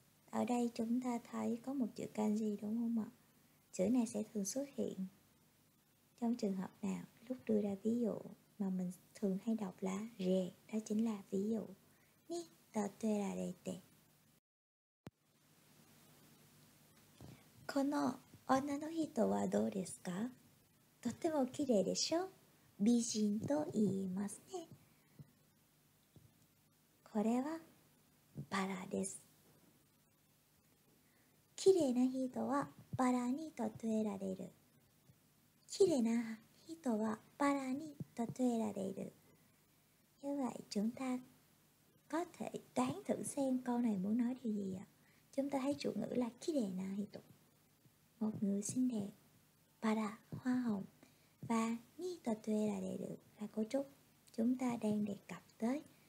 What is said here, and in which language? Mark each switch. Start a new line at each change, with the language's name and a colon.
Vietnamese: ở đây chúng ta thấy có một chữ kanji đúng không ạ? Chữ này sẽ thường xuất hiện trong trường hợp nào? Lúc đưa ra ví dụ mà mình thường hay đọc là re, đó chính là ví dụ に例えられて.
Japanese: この女の人はどうですか? とても綺麗でしょ?美人と言いますね. これは バラです。綺麗な人はバラに例えられる。綺麗な人はバラに例えられる.
Vietnamese: Như vậy chúng ta có thể đoán thử xem câu này muốn nói điều gì ạ. Chúng ta thấy chủ ngữ là 綺麗な人, một người xinh đẹp, バラ, hoa hồng, và に例えられる là cấu trúc chúng ta đang đề cập tới.